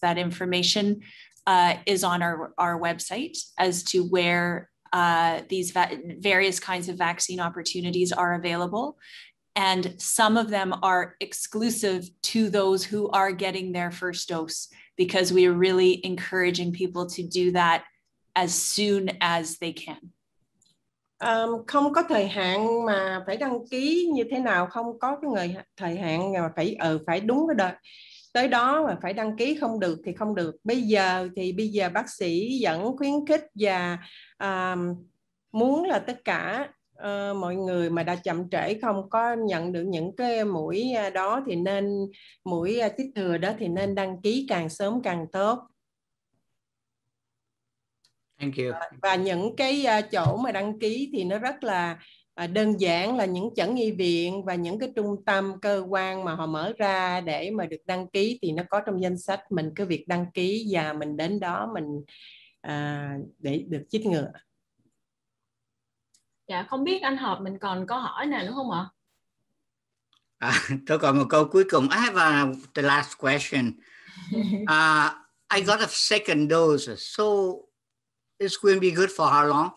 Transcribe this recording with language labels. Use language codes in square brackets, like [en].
[en] That information is on our website as to where these various kinds of vaccine opportunities are available. And some of them are exclusive to those who are getting their first dose, because we are really encouraging people to do that as soon as they can. [vi] Không có thời hạn mà phải đăng ký như thế nào, không có cái người thời hạn mà phải phải đúng cái đợt tới đó mà phải đăng ký, không được thì không được. Bây giờ bác sĩ vẫn khuyến khích và muốn là tất cả mọi người mà đã chậm trễ không có nhận được những cái mũi đó thì nên mũi tiếp thừa đó thì nên đăng ký càng sớm càng tốt. [en] Thank you. [vi] Và những cái chỗ mà đăng ký thì nó rất là đơn giản, là những chẩn y viện và những cái trung tâm cơ quan mà họ mở ra để mà được đăng ký thì nó có trong danh sách, mình cứ việc đăng ký và mình đến đó mình để được chích ngừa. Dạ, không biết anh Hợp mình còn có hỏi nào nữa không ạ? Tôi còn một câu cuối cùng. [en] I have the last question. I got a second dose, so it's going to be good for how long?